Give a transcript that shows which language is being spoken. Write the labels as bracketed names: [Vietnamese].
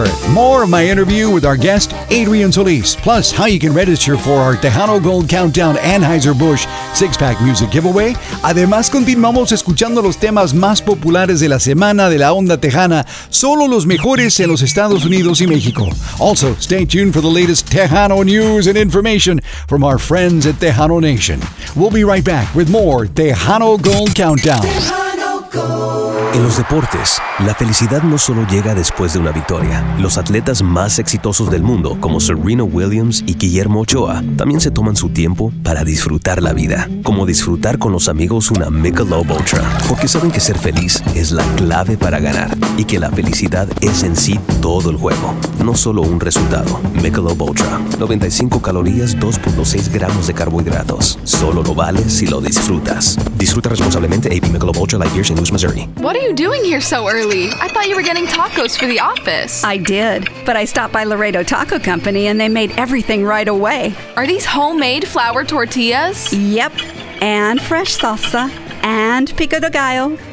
[English] More of my interview with our guest, Adrian Solis. Plus, how you can register for our Tejano Gold Countdown Anheuser-Busch six-pack music giveaway. [Spanish] Además, continuamos escuchando los temas más populares de la semana de la onda tejana. Solo los mejores en los Estados Unidos y México. [English] Also, stay tuned for the latest Tejano news and information from our friends at Tejano Nation. We'll be right back with more Tejano Gold Countdown. [Spanish] En los deportes, la felicidad no solo llega después de una victoria. Los atletas más exitosos del mundo, como Serena Williams y Guillermo Ochoa, también se toman su tiempo para disfrutar la vida. Como disfrutar con los amigos una Michelob Ultra. Porque saben que ser feliz es la clave para ganar. Y que la felicidad es en sí todo el juego. No solo un resultado. Michelob Ultra. 95 calorías, 2.6 gramos de carbohidratos. Solo lo vale si lo disfrutas. Disfruta responsablemente AB Michelob Ultra Light Beer, St. Louis, Missouri. [English] What are you doing here so early? I thought you were getting tacos for the office. I did, but I stopped by Laredo Taco Company and they made everything right away. Are these homemade flour tortillas? Yep, and fresh salsa, and pico de gallo.